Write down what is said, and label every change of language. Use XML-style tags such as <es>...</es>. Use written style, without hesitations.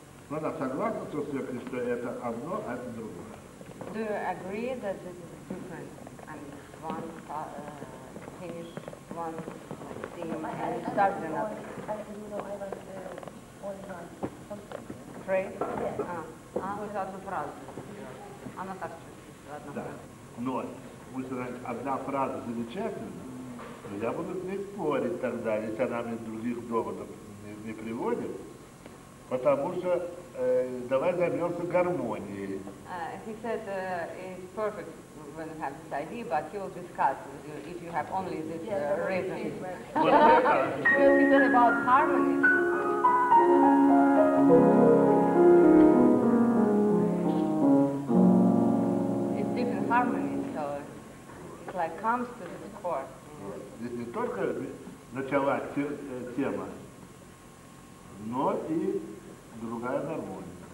<ru>Ну да, согласен с тем, что это одно, а это другое.</ru> <en>Do you agree that this is different? I mean, one finish, one theme, and it starts another. You know, I was only one. Three? Yes.</en> <ru>Вот одна фраза. Она так чувствует, одна фраза. Да. Но, вы знаете, одна фраза замечательная, но я буду с ней спорить тогда, если она мне других доводов не приводит, потому что давай займемся гармонией.</ru> <en>He said it's perfect when you have this idea, but he will discuss with you if you have only this reason. Well, he said about harmony. It's different harmony, so it like comes to this chord.</en> <ru>Здесь не только начала тема, но и другая гармония.</ru>